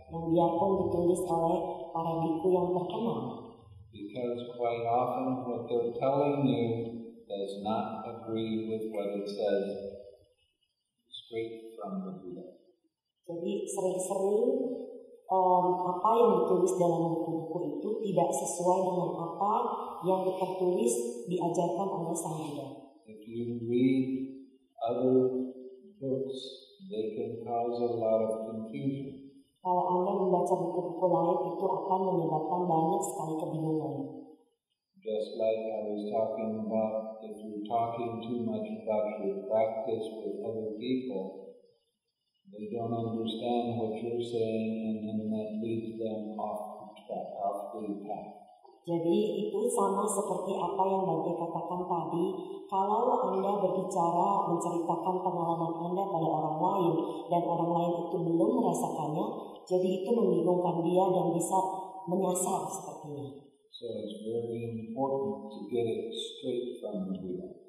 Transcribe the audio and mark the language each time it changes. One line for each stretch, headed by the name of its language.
Indonesian: Yang biarpun ditulis oleh para biku yang terkenal.
English: Because quite often what they're telling you does not agree with what it says straight from the Buddha.
Indonesian: Jadi sering-sering apa yang ditulis dalam buku-buku itu tidak sesuai dengan apa yang tertulis diajarkan oleh Sang Buddha.
English: If you read other books, they can cause a lot of confusion.
Indonesian: Kalau Anda membaca buku-buku lain, itu akan menyebabkan banyak sekali kebingungan.
English: Just like I was talking about, if you're talking too much about your practice with other people, they don't understand what you're saying, and then that leads them off the path.
Indonesian: Jadi itu sama seperti apa yang Bante katakan tadi. Kalau Anda berbicara, menceritakan pengalaman Anda pada orang lain, dan orang lain itu belum merasakannya, jadi itu membingungkan dia dan bisa menyasar seperti ini.
English: So it's very important to get it straight from the Buddha.